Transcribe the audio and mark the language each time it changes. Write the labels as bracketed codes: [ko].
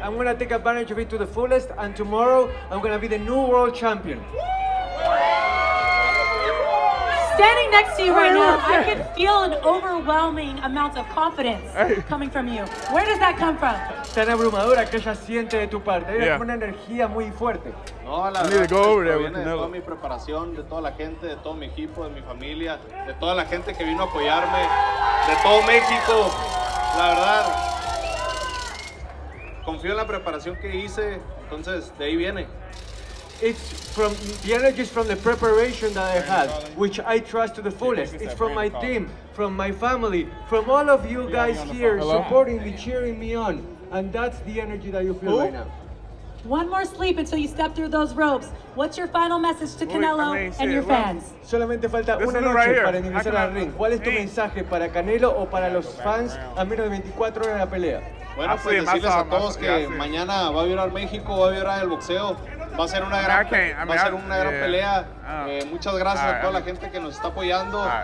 [en] I'm going to take advantage of it to the fullest and tomorrow I'm going to be the new world champion. Standing next to you right now, I can feel an overwhelming amount of confidence coming from you. Where does that come from? [es] Tan abrumadora que ella siente de tu parte. Es una energía muy fuerte. No, la verdad, proviene de toda mi preparación, de toda la gente, de todo mi equipo, de mi familia, de toda la gente que vino a apoyarme, de todo México. La verdad, confío en la preparación que hice, entonces de ahí viene. [en] It's from the energy, is from the preparation that I had, which I trust to the fullest. It's from my team, from my family, from all of you guys here supporting me, cheering me on. And that's the energy that you feel right now. One more sleep until you step through those ropes. What's your final message to Canelo and your fans? [es] Solamente falta una noche para ingresar al ring. ¿Cuál es tu mensaje para Canelo o para los fans a menos de 24 horas de la pelea? Bueno, pues decirles a todos que mañana va a vibrar México, va a vibrar el boxeo. Va a ser una gran, pelea. Muchas gracias a toda la gente que nos está apoyando.